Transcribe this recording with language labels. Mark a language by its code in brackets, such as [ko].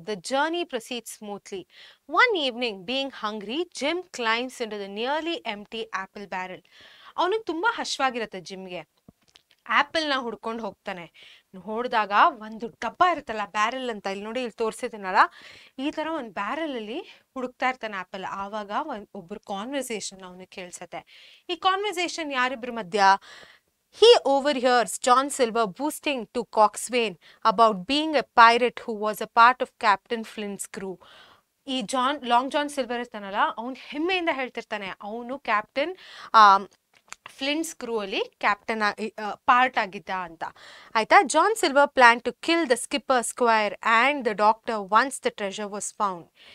[en] The journey proceed smoothly. One evening being hungry, Jim climbs into the nearly empty apple barrel. [kn] ಅವನಿಗೆ ತುಂಬ ಹಶ್ವಾಗಿರುತ್ತೆ ಜಿಮ್ಗೆ, ಆ್ಯಪಲ್ನ ಹುಡ್ಕೊಂಡು ಹೋಗ್ತಾನೆ. ನೋಡಿದಾಗ ಒಂದು ಡಬ್ಬ ಇರುತ್ತಲ್ಲ ಬ್ಯಾರಲ್ ಅಂತ, ಇಲ್ಲಿ ನೋಡಿ ಇಲ್ಲಿ ತೋರಿಸಿದ್ದೀನಲ್ಲ, ಈ ಥರ ಒಂದು ಬ್ಯಾರಲಲ್ಲಿ ಹುಡುಕ್ತಾ ಇರ್ತಾನೆ ಆ್ಯಪಲ್. ಆವಾಗ ಒಬ್ಬರು ಕಾನ್ವರ್ಸೇಷನ್ ಅವನಿಗೆ ಕೇಳಿಸುತ್ತೆ. ಈ ಕಾನ್ವರ್ಸೇಷನ್ ಯಾರಿಬ್ರ ಮಧ್ಯ, [en] He overhears John Silver boasting to Coxswain about being a pirate who was a part of Captain Flint's crew. [kn] ಈ ಜಾನ್, ಲಾಂಗ್ ಜಾನ್ ಸಿಲ್ವರ್ ಇರ್ತಾನಲ್ಲ, ಅವನು ಹೆಮ್ಮೆಯಿಂದ ಹೇಳ್ತಿರ್ತಾನೆ ಅವನು ಕ್ಯಾಪ್ಟನ್ ಫ್ಲಿಂಟ್ಸ್ ಕ್ರೂ ಅಲ್ಲಿ ಕ್ಯಾಪ್ಟನ್ ಪಾರ್ಟ್ ಆಗಿದ್ದ ಅಂತ. ಆಯ್ತಾ? [en] John Silver plan to kill the skipper squire and the doctor once the treasure was found.